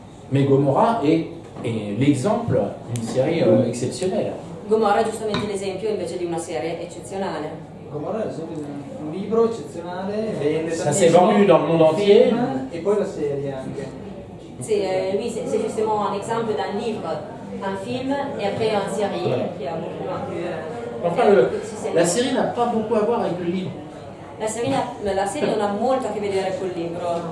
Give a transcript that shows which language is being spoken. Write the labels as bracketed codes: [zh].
[it] Ma Gomorrah è l'esempio di una serie eccezionale. Gomorrah è giustamente l'esempio invece di una serie eccezionale. Gomorrah è un libro eccezionale, vende tantissimo. [fr] Ça s'est vendu dans le monde entier. [it] Et poi la serie anche. Sì, lui [fr] c'est justement un exemple d'un livre, un film et après une série qui a beaucoup plus. La série n'a pas beaucoup à voir avec le livre. [it] La série non ha molto a che vedere col libro.